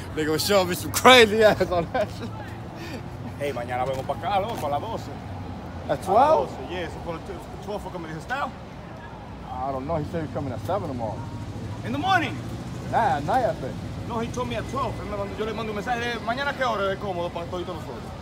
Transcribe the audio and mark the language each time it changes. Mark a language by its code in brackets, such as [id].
[en] They gonna show me some crazy ass on that shit. [es] Hey, mañana vengo pa' acá, loco, a las 12. [en] At 12? Yeah, so for the 12 for coming to his style. I don't know, he said he's coming at 7 tomorrow. In the morning? Nah, at night, I think. No, he told me at 12. [es] Yo le mando un mensaje, mañana qué hora es cómodo para todos y todos nosotros.